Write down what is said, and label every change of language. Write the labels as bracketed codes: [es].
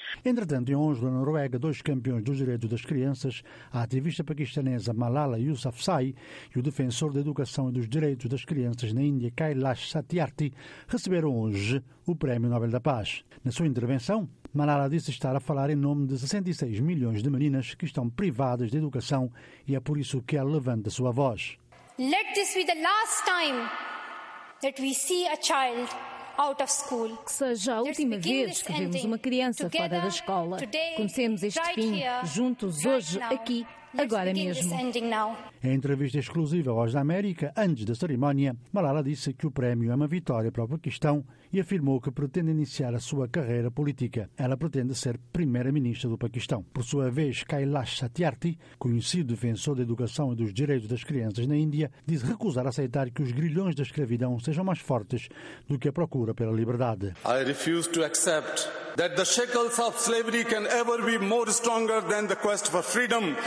[pt] Entretanto, em Oslo, na Noruega, dois campeões dos direitos das crianças, a ativista paquistanesa Malala Yousafzai e o defensor da educação e dos direitos das crianças na Índia, Kailash Satyarthi, receberam hoje o Prémio Nobel da Paz. Na sua intervenção, Malala disse estar a falar em nome de 66 milhões de meninas que estão privadas de educação e é por isso que ela levanta a sua voz. [en] Let this be the last time that we see a child out of school. [pt] Que seja a última vez que vemos uma criança fora da escola. Comecemos este fim juntos hoje, aqui, agora mesmo. Em entrevista exclusiva à Voz da América, antes da cerimónia, Malala disse que o prémio é uma vitória para o Paquistão e afirmou que pretende iniciar a sua carreira política. Ela pretende ser primeira-ministra do Paquistão. Por sua vez, Kailash Satyarthi, conhecido defensor da educação e dos direitos das crianças na Índia, diz recusar aceitar que os grilhões da escravidão sejam mais fortes do que a procura pela liberdade. [en] I refuse to accept that the shackles of slavery can ever be more stronger than the quest for freedom.